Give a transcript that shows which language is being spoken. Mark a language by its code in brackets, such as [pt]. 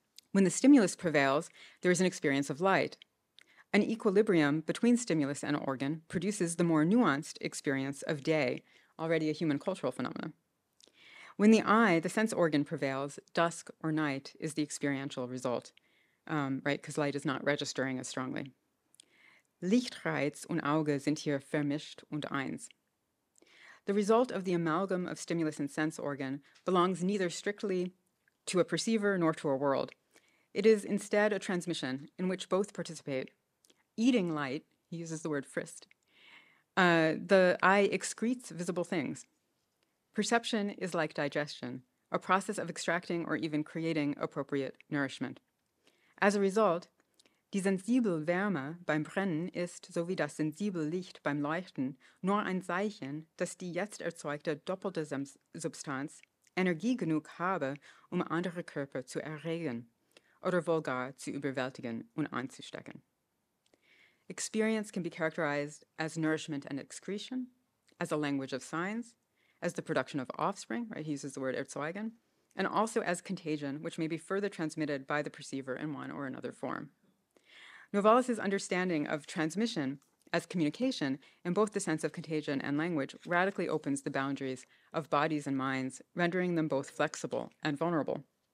[en] When the stimulus prevails, there is an experience of light. An equilibrium between stimulus and organ produces the more nuanced experience of day, already a human cultural phenomenon. When the eye, the sense organ, prevails, dusk or night is the experiential result, right? Because light is not registering as strongly. [de] Lichtreiz und Auge sind hier vermischt und eins. [en] The result of the amalgam of stimulus and sense organ belongs neither strictly to a perceiver nor to a world. It is instead a transmission in which both participate. Eating light, he uses the word frist, the eye excretes visible things. Perception is like digestion, a process of extracting or even creating appropriate nourishment. As a result, [de] die sensible Wärme beim Brennen ist, so wie das sensible Licht beim Leuchten, nur ein Zeichen, dass die jetzt erzeugte doppelte Substanz Energie genug habe, andere Körper zu erregen oder wohl gar zu überwältigen und anzustecken. [en] Experience can be characterized as nourishment and excretion, as a language of signs, as the production of offspring, right? He uses the word erzeugen, and also as contagion, which may be further transmitted by the perceiver in one or another form. Novalis's understanding of transmission as communication in both the sense of contagion and language radically opens the boundaries of bodies and minds, rendering them both flexible and vulnerable.